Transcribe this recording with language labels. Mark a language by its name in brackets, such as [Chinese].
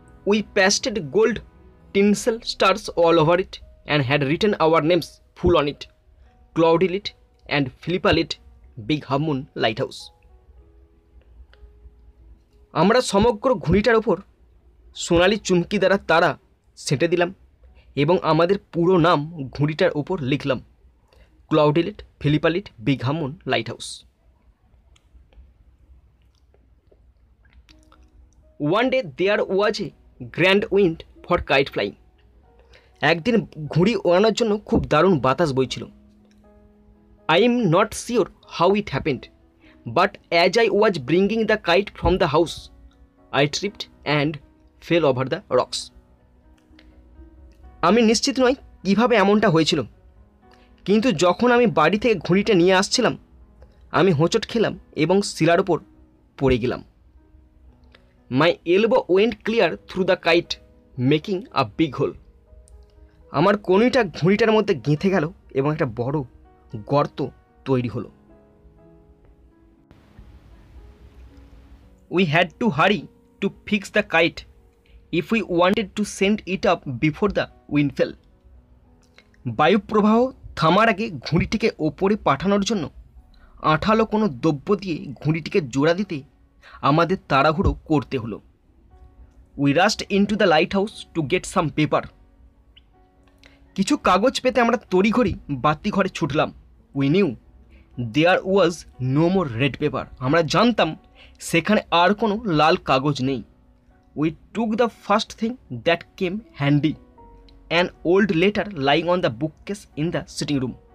[English] we pasted gold tinsel stars all over it and had written our names full on it, Cloudy lit and Philippa lit big half moon lighthouse, [Bangla] আমরা সমগ্র ঘুড়িটার ওপর সোনালি চুমকি দ্বারা তারা সেটে দিলাম এবং আমাদের পুরো নাম ঘুড়িটার ওপর লিখলাম, [English] Cloudy lit Philippa lit big half moon lighthouse. One day there was a grand wind for kite flying. [Bangla] একদিন ঘুড়ি ওড়ানোর জন্য খুব দারুণ বাতাস বইছিল। [English] I am not sure how it happened, but as I was bringing the kite from the house, I tripped and fell over the rocks. [Bangla] আমি নিশ্চিত নই কিভাবে এমনটা হয়েছিল, কিন্তু যখন আমি বাড়ি থেকে ঘুড়িটা নিয়ে আসছিলাম আমি হোঁচট খেলাম এবং শিলার উপর পড়ে গেলাম। [English] My elbow went clear through the kite, making a big hole. [Bangla] আমার কনুইটা ঘুড়িটার মধ্যে গেঁথে গেল এবং একটা বড় গর্ত তৈরি হলো। [English] We had to hurry to fix the kite if we wanted to send it up before the wind fell. [Bangla] বায়ু প্রবাহ থামার আগে ঘুড়িটিকে ওপরে পাঠানোর জন্য আঠালো কোনো দ্রব্য দিয়ে ঘুড়িটিকে জোড়া দিতে আমাদের তাড়াহুড়ো করতে হলো। [English] We rushed into the lighthouse to get some paper. [Bangla] কিছু কাগজ পেতে আমরা তড়িঘড়ি বাতি ঘরে ছুটলাম। [English] we knew there was no more red paper, [Bangla] আমরা জানতাম সেখানে আর কোনো লাল কাগজ নেই। [English] We took the first thing that came handy, an old letter lying on the bookcase in the sitting room.